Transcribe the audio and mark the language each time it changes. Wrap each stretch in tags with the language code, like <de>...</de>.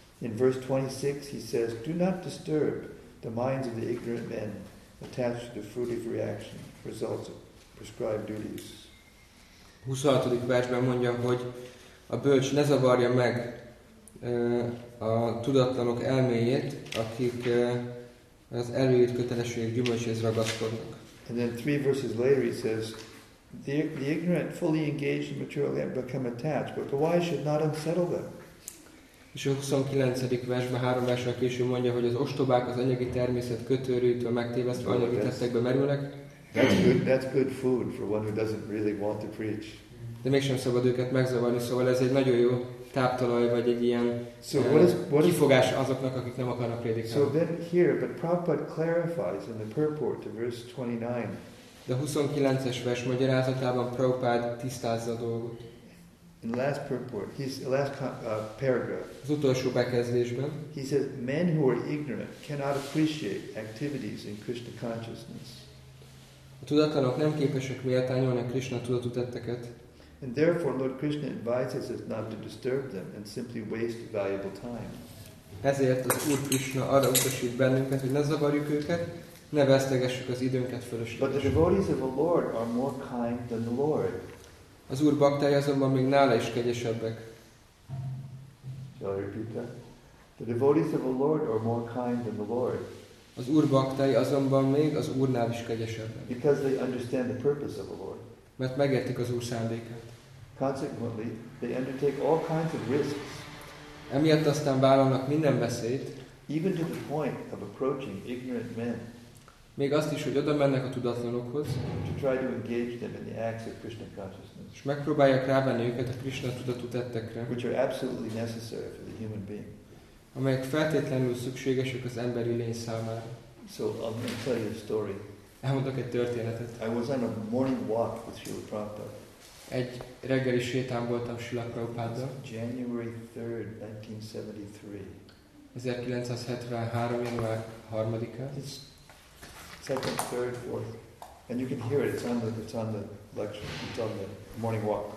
<en>In verse 26 he says, do not disturb the minds of the ignorant men attached to the fruitive reaction results of prescribed duties.</en> <hu>26. Versben mondja, hogy a bölcs ne zavarja meg a tudatlanok elméjét, akik az előírt kötelességek gyümölcséhez ragaszkodnak.</hu> <en>And then 3 verses later he says, the ignorant, fully engaged and maturely become attached, but the wise should not unsettle them.</en> <hu>És a 29. versben, 3 versen később mondja, hogy az ostobák az anyagi természet kötőrűtől megtévesztve anyagi tettekbe merülnek.</hu> <en>That's good food for one who doesn't really want to preach.</en> <hu>De mégsem szabad őket megzavarni, szóval ez egy nagyon jó táptalaj, vagy egy ilyen kifogás azoknak, akik nem akarnak prédikálni.</hu> <en>So then here, but Prabhupada clarifies in the purport of verse 29.</en> <hu>De 29-es vers magyarázatában Prabhupada tisztázza a dolgot.</hu> <en>In the last purport, his last paragraph.</en> <hu>Az utolsó bekezdésben.</hu> <en>He says, men who are ignorant cannot appreciate activities in Krishna consciousness.</en> <hu>A tudatlanok nem képesek méltányolni a Krishna tudatú tetteket.</hu> <en>And therefore, Lord Krishna advises us not to disturb them and simply waste valuable time.</en> <hu>Ezért az Úr Krishna arra utasít bennünket, hogy ne zavarjuk őket, ne vesztegessük az időnket fölöslegesen.</hu> <en>But the devotees of the Lord are more kind than the Lord.</en> <hu>Az Úr baktája azonban még nála is kegyesebbek.</hu> <en>Shall I repeat that? The devotees of the Lord are more kind than the Lord.</en> <hu>Az Úr baktája azonban még az Úrnál is kegyesebbek.</hu> <en>Because they understand the purpose of the Lord.</en> <hu>Mert megértik az Úr szándékát.</hu> <en>Consequently, they undertake all kinds of risks.</en> <hu>Emiatt aztán vállalnak minden veszélyt.</hu> <en>Even to the point of approaching ignorant men.</en> <hu>Még azt is, hogy oda mennek a tudatlanokhoz.</hu> <en>To try to engage them in the acts of Krishna consciousness.</en> <hu>És megpróbálják rávenni őket a Krishna tudatú tettekre.</hu> <en>Which are absolutely necessary for the human being.</en> <hu>Amelyek feltétlenül szükségesek az emberi lény számára.</hu> <en>So I'm going to tell you a story.</en> <hu>Elmondok egy történetet.</hu> <en>I was on a morning walk with Srila Prabhupada.</en> <hu>Egy reggeli sétán voltam Srila Prabhupáddal.</hu> <en>January 3, 1973.</en> <hu>1973. január 3-án.</hu> <en>It's second, third, fourth. And you can hear it. It's on the lecture. It's on the morning walk.</en>